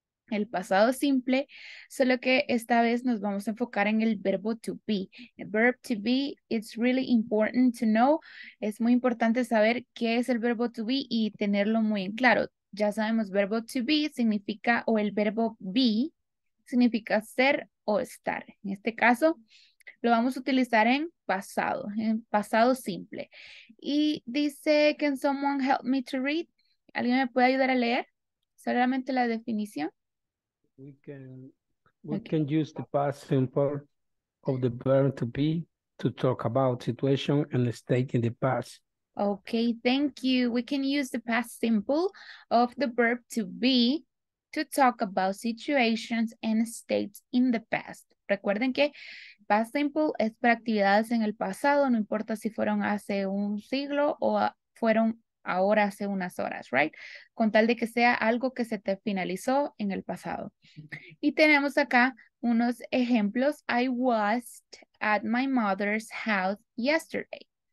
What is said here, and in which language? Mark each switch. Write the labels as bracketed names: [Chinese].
[Spanish] El pasado simple, solo que esta vez nos vamos a enfocar en el verbo to be. [English] El verbo to be, it's really important to know. [Spanish] Es muy importante saber qué es el verbo to be y tenerlo muy en claro. Ya sabemos, verbo to be significa, o el verbo be significa ser o estar. En este caso, Lo vamos a utilizar en pasado simple. Y dice, [English] can someone help me to read? [Spanish] ¿Alguien me puede ayudar a leer? Solamente la definición. [English] We can use the past simple of the verb to be to talk about situation and state in the past. Okay, thank you. We can use the past simple of the verb to be to talk about situations and states in the past. [Spanish] Recuerden que past simple es para actividades en el pasado, no importa si fueron hace un siglo o fueron ahora hace unas horas, [English] right? [Spanish] Con tal de que sea algo que se te finalizó en el pasado. Y tenemos acá unos ejemplos. [English] I was at my mother's house yesterday.